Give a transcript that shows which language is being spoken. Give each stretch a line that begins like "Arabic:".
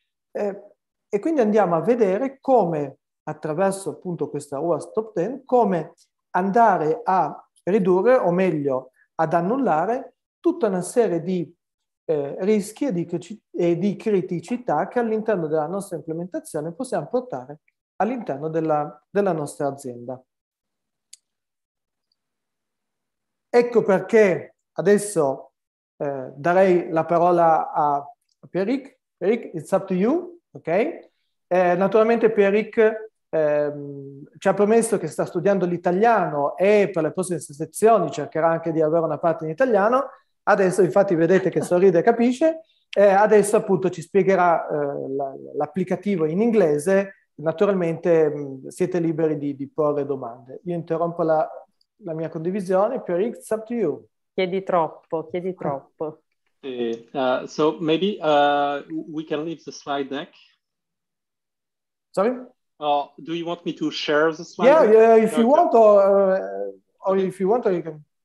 Italian: E quindi andiamo a vedere come, attraverso appunto questa OWASP Top 10, come andare a ridurre, o meglio, ad annullare tutta una serie di rischi e di criticità che all'interno della nostra implementazione possiamo portare all'interno della nostra azienda. Ecco perché adesso darei la parola a Pierrick.
English: Pierrick, it's up to you, ok?
Italian: Naturalmente Pierrick ci ha promesso che sta studiando l'italiano e per le prossime sezioni cercherà anche di avere una parte in italiano. Adesso infatti vedete che sorride e capisce. Adesso appunto ci spiegherà l'applicativo in inglese. Naturalmente siete liberi di porre domande. Io interrompo la mia condivisione.
English: Pierrick, it's up to you.
Italian: Chiedi troppo.
English: So maybe we can leave the slide deck. Sorry? Do you want me to share the slide? Yeah, if you want, or you can.